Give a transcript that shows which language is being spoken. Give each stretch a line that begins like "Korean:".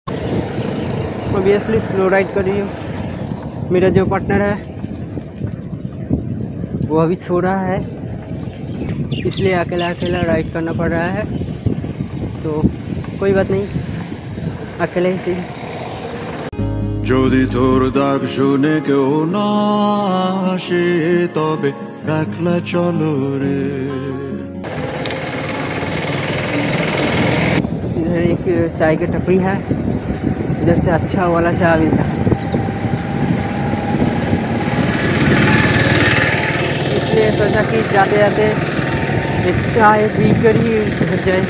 Hindi: Obviously slow ride कर रही हूँ। मेरा जो पार्टनर है वो अभी सो रहा है इसलिए अकेला अकेला राइड करना पड़ रहा है। तो कोई बात नहीं, अकेले ही सही।
Bangla: যদি তোর ডাক শুনে কেউ না আসে তবে একলা চলো রে।
Hindi: इधर एक चाय की टपरी है, इधर से अच्छा वाला चाय मिलता है इसलिए सोचा कि जाते जाते एक चाय पी कर ही घर जाए।